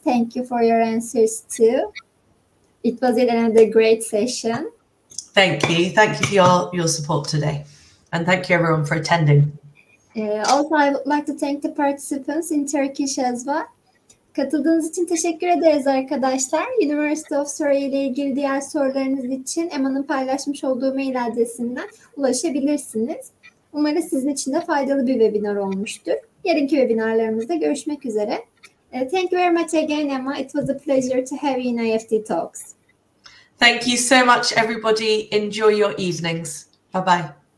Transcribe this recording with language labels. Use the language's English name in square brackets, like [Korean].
[English] Thank you for your answers too. It was another great session. Thank you. Thank you for your support today, and thank you everyone for attending. Also, I would like to thank the participants in Turkish as well. [Turkish] Katıldığınız için teşekkür ederiz arkadaşlar. University of Surrey ile ilgili diğer sorularınız için Emma'nın paylaşmış olduğu mail adresinden ulaşabilirsiniz. Umarım sizin için de faydalı bir webinar olmuştur. Yarınki webinarlarımızda görüşmek üzere. [English] Thank you very much again, Emma. It was a pleasure to have you in IEFT Talks. Thank you so much, everybody. Enjoy your evenings. Bye-bye.